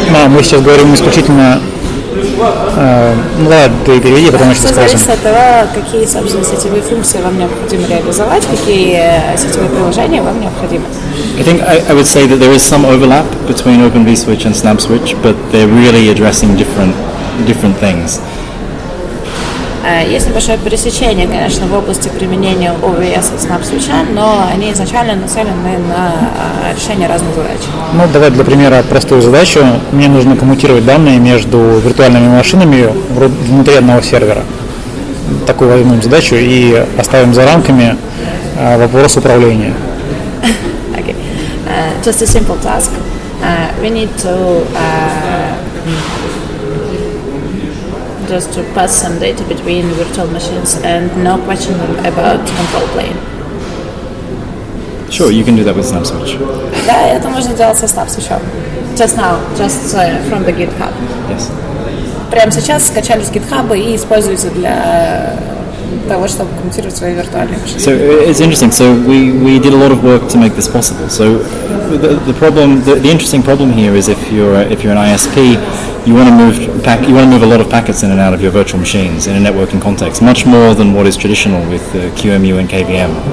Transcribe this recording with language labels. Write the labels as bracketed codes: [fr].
[ru] Мы сейчас говорим исключительно. Ты переведи, потому что скажем. Зависит от того, какие, собственно, сетевые функции вам необходимо реализовать, какие сетевые приложения вам необходимы. [en] I think I would say that there is some overlap between Open vSwitch and Snap Switch, but they're really addressing different things. [ru] Есть небольшое пересечение, конечно, в области применения OVS и Snap Switch, но они изначально нацелены на решение разных задач. Ну, давай для примера простую задачу. Мне нужно коммутировать данные между виртуальными машинами внутри одного сервера. Такую возьмем задачу и оставим за рамками вопрос управления. [en] Okay. Just a simple task. We need to... just to pass some data between virtual machines and no question about control plane. Sure, you can do that with Snap Switch. [ru] Да, это можно делать со Snap Switch. [en] Just now, just from the GitHub. Yes. [ru] Прямо сейчас скачали с GitHub и используется для того, чтобы коммутировать свои виртуальные машины. [en] So it's interesting. So we did a lot of work to make this possible. So the interesting problem here is if you're an ISP, you want to move a lot of packets in and out of your virtual machines in a networking context, much more than what is traditional with QMU and KVM.